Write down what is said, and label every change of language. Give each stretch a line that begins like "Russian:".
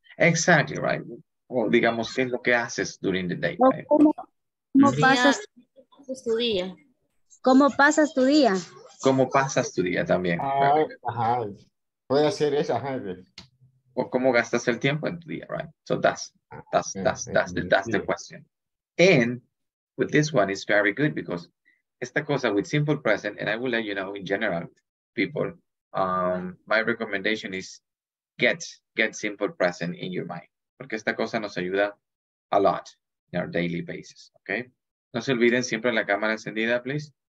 English: Exactly, right.
Spanish: O digamos, ¿qué es lo que haces
English: during the day?
Spanish: Right? ¿Cómo pasas tu día? ¿Cómo pasas tu día también? Ajá. Puede hacer eso, ajá. O ¿cómo gastas el tiempo en tu día, right?
English: So that's the question. And with this one, it's very good because
Spanish: esta cosa
English: with simple present, and I will let you know in general, people, my recommendation is get simple present in your mind.
Spanish: Porque esta cosa nos ayuda a
English: lot in our daily basis,
Spanish: okay? No se olviden siempre la cámara encendida, please.